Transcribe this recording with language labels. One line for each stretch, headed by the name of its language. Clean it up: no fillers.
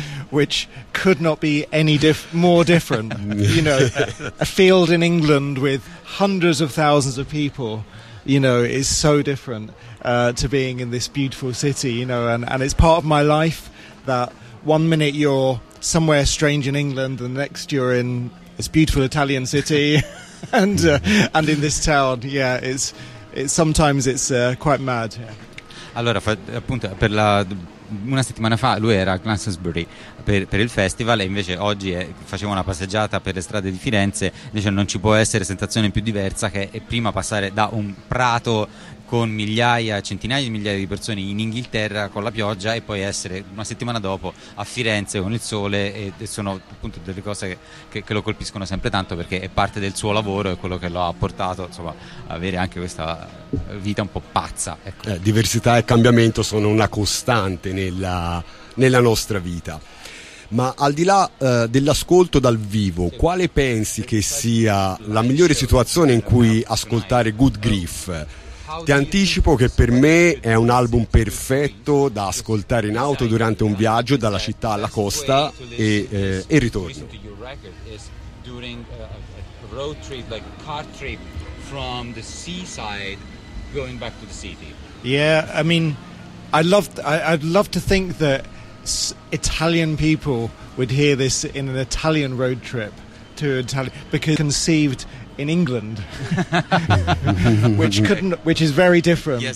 English: which could not be any more different, you know, a field in England with hundreds of thousands of people, you know, is so different to being in this beautiful city, you know, and it's part of my life that 1 minute you're somewhere strange in England and the next you're in this beautiful Italian city. and in this town, yeah, it's sometimes it's quite mad. Yeah.
Italian: Allora, appunto, per la una settimana fa lui era a Glastonbury per il festival e invece oggi facevo una passeggiata per le strade di Firenze, invece non ci può essere sensazione più diversa che è prima passare da un prato con migliaia, centinaia di migliaia di persone in Inghilterra con la pioggia e poi essere una settimana dopo a Firenze con il sole, e sono appunto delle cose che lo colpiscono sempre tanto perché è parte del suo lavoro e quello che lo ha portato insomma a avere anche questa vita un po' pazza, ecco. Diversità e cambiamento sono una costante nella nostra vita. Ma al di là dell'ascolto dal vivo, quale pensi che sia la migliore situazione in cui ascoltare Good Grief? Ti anticipo che per me è un album perfetto da ascoltare in auto durante un viaggio dalla città alla costa e ritorno.
English: During a road trip, like car trip from the seaside going back to the city. Yeah, I mean I'd love to think that Italian people would hear this in an Italian road trip to Italy, because conceived in England, which is very different.